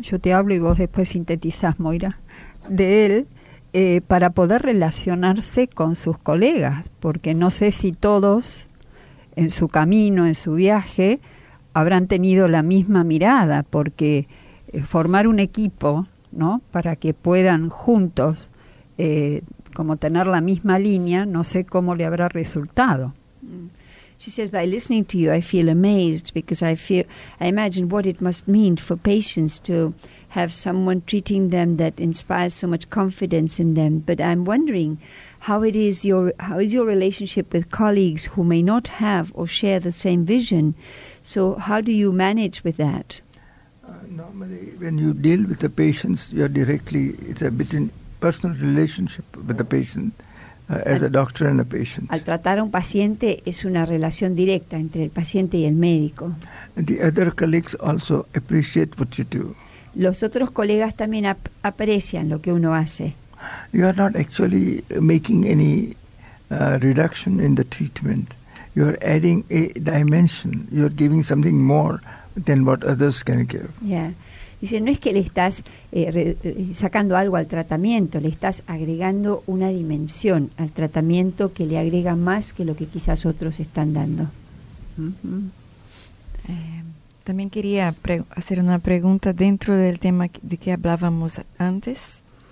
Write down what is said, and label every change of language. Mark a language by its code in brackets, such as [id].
[es] Yo te hablo y vos después sintetizás, Moira, de él, para poder relacionarse con sus colegas, porque no sé si todos en su camino, en su viaje, habrán tenido la misma mirada, porque formar un equipo, ¿no?, para que puedan juntos como tener la misma línea, no sé cómo le habrá resultado. [en] She says, by listening to you, I feel amazed because I imagine what it must mean for patients to have someone treating them that inspires so much confidence in them. But I'm wondering how is your relationship with colleagues who may not have or share the same vision? So how do you manage with that? Normally, when you deal with the patients, you're directly, it's a bit in personal relationship with the patient. As a doctor and a patient. [es] Al tratar a un paciente es una relación directa entre el paciente y el médico. [en] And the other colleagues also appreciate what you do. [es] Los otros colegas también aprecian lo que uno hace. [en] You are not actually making any reduction in the treatment. You are adding a dimension. You are giving something more than what others can give. Yeah. [es] Dice, no es que le estás sacando algo al tratamiento, le estás agregando una dimensión al tratamiento que le agrega más que lo que quizás otros están dando. Uh-huh. También quería hacer una pregunta dentro del tema de que hablábamos antes.